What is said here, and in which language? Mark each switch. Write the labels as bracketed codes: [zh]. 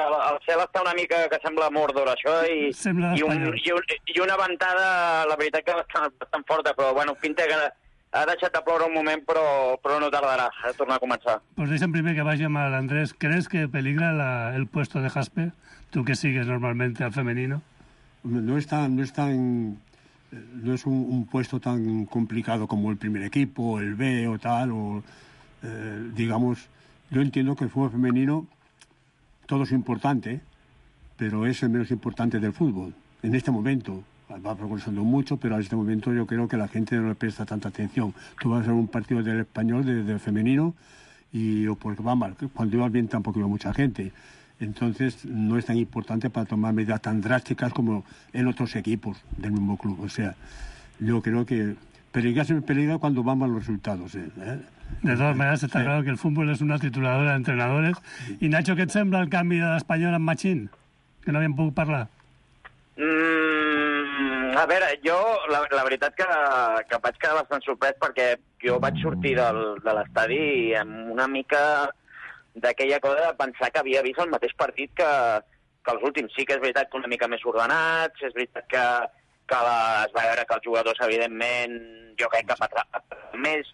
[ca] El cel està una mica que sembla Mordor, això. I, sembla d'Espanya. I una ventada, la veritat que bastant forta, però bueno, pinta que... Ha deixat de ploure un moment, però no tardarà a tornar a començar. Pues deixa'm primer que vagi amb l'Andrés. [es] ¿Crees que peligra el puesto de Jaspe? Tu que sigues normalmente al femenino. No es un puesto tan complicado como el primer equipo, el B o tal. Digamos, yo entiendo que el fútbol femenino todo es importante, pero es el menos importante del fútbol en este momento. Va progresando mucho, pero en este momento yo creo que la gente no le presta tanta atención. Tú vas a ver un partido del Español de femenino y porque va mal. Cuando iba bien tampoco iba mucha gente. Entonces no es tan importante para tomar medidas tan drásticas como en otros equipos del mismo club. O sea, yo creo que peligra se peligra cuando van mal los resultados. De todas maneras, está claro que el fútbol es una trituradora de entrenadores. Sí. Y Nacho, ¿qué te sembra el cambio de la Española en Machín? Que no habían podido hablar. [ca] A veure, jo la veritat que vaig quedar bastant sorprès perquè jo vaig sortir de l'estadi amb una mica d'aquella cosa de pensar que havia vist el mateix partit que els últims. Sí que és veritat que una mica més ordenats, és veritat es va veure que els jugadors, evidentment, jo crec que més.